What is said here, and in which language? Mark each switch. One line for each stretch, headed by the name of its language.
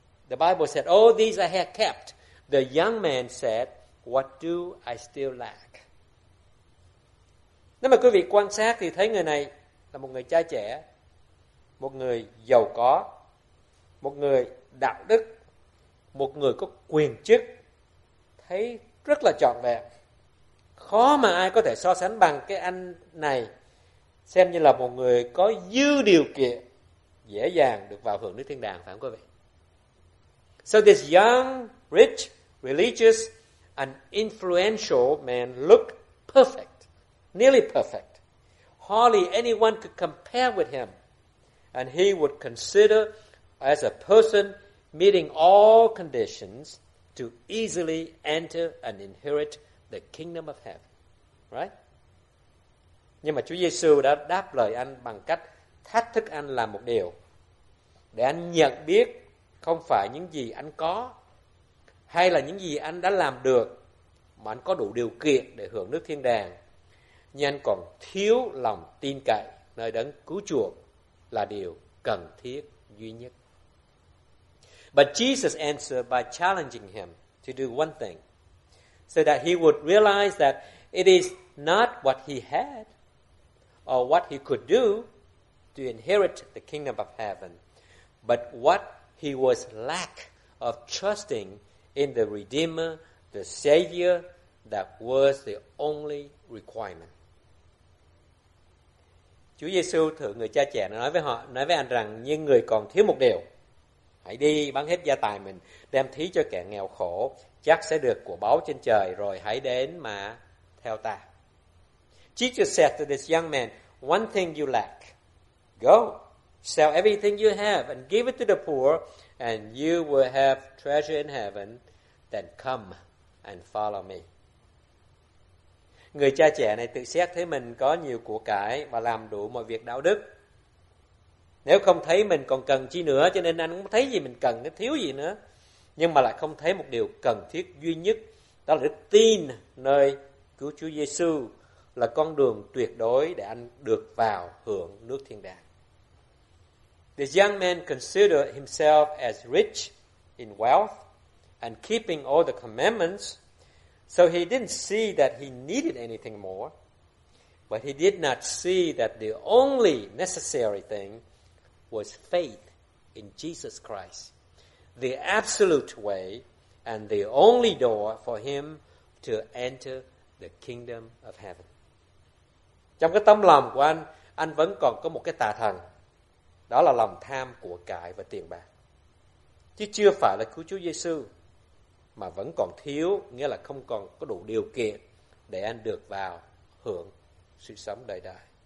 English: The Bible said, all these I have kept. The young man said, what do I still lack?
Vietnamese: Nếu mà quý vị quan sát thì thấy người này là một người trai trẻ, một người giàu có, một người đạo đức, một người có quyền chức, thấy rất là trọn vẹn. Khó mà ai có thể so sánh bằng cái anh này, xem như là một người có dư điều kiện dễ dàng được vào hưởng nước thiên đàng, phải không quý vị?
English: So this young, rich, religious an influential man looked perfect, nearly perfect. Hardly anyone could compare with him. And he would consider as a person meeting all conditions to easily enter and inherit the kingdom of heaven. Right?
Vietnamese: Nhưng mà Chúa Giê-xu đã đáp lời anh bằng cách thách thức anh làm một điều. Để anh nhận biết không phải những gì anh có hay là những gì anh đã làm được mà anh có đủ điều kiện để hưởng nước thiên đàng. Nhưng anh còn thiếu lòng tin cậy nơi đấng cứu chuộc là điều cần thiết duy nhất.
English: But Jesus answered by challenging him to do one thing so that he would realize that it is not what he had or what he could do to inherit the kingdom of heaven, but what he was lack of trusting in the Redeemer, the Savior, that was the only requirement.
Vietnamese: Chúa Giê-xu thưởng người cha trẻ nói với họ, nói với anh rằng, nhưng người còn thiếu một điều. Hãy đi bán hết gia tài mình, đem thí cho kẻ nghèo khổ, chắc sẽ được của báu trên trời, rồi hãy đến mà theo ta.
English: Jesus said to this young man, one thing you lack. Go, sell everything you have and give it to the poor, and you will have treasure in heaven. Then come and follow me.
Vietnamese: Người cha trẻ này tự xét thấy mình có nhiều của cải và làm đủ mọi việc đạo đức. Nếu không thấy mình còn cần chi nữa, cho nên anh không thấy gì mình cần, nó thiếu gì nữa. Nhưng mà lại không thấy một điều cần thiết duy nhất, đó là đức tin nơi cứu Chúa Giê-xu là con đường tuyệt đối để anh được vào hưởng nước thiên đàng.
English: The young man considered himself as rich in wealth and keeping all the commandments, so he didn't see that he needed anything more, but he did not see that the only necessary thing was faith in Jesus Christ, the absolute way and the only door for him to enter the kingdom of heaven.
Vietnamese: Trong cái tâm lòng của anh vẫn còn có một cái tà thần, đó là lòng tham của cải và tiền bạc, chứ chưa phải là cứu Chúa Giê-xu. Mà vẫn còn thiếu, nghĩa là không còn có đủ điều kiện để anh được vào hưởng sự sống đời đời.